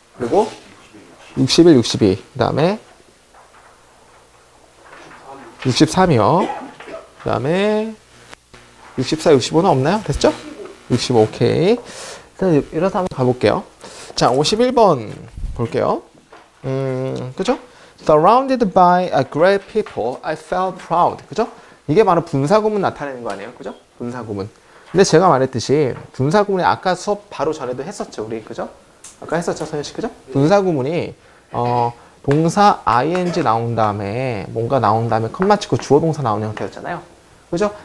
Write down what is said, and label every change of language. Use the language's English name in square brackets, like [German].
[Korean] 그리고 61, 62. 그다음에 63이요. 그다음에 64, 65는 없나요? 됐죠? 65. 오케이. 자, 이러서 한번 가볼게요. 자, 51번 볼게요. 그죠? [English] Surrounded by a great people, I felt proud. [Korean] 그죠? 이게 바로 분사구문 나타내는 거 아니에요? 그죠? 분사구문. 근데 제가 말했듯이 분사구문이 아까 수업 바로 전에도 했었죠, 우리. 그죠? 아까 했었죠, 선현 씨. 그죠? 분사구문이 동사 ing 나온 다음에 뭔가 나온 다음에 컷 맞추고 주어 동사 나오는 형태였잖아요. 그죠?